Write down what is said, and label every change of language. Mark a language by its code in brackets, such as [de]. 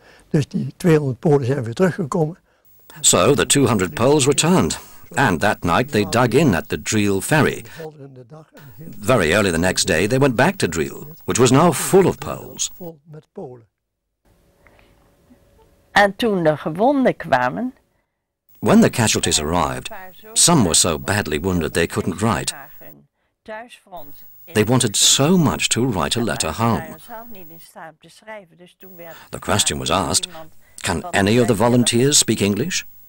[en] So the 200 Poles returned. And that night they dug in at the Driel ferry. Very early the next day they went back to Driel, which was now full of Poles. [nl] En toen de gewonden kwamen. [en] When the casualties arrived, some were so badly wounded they couldn't write. They wanted so much to write a letter home. The question was asked, can any of the volunteers speak English?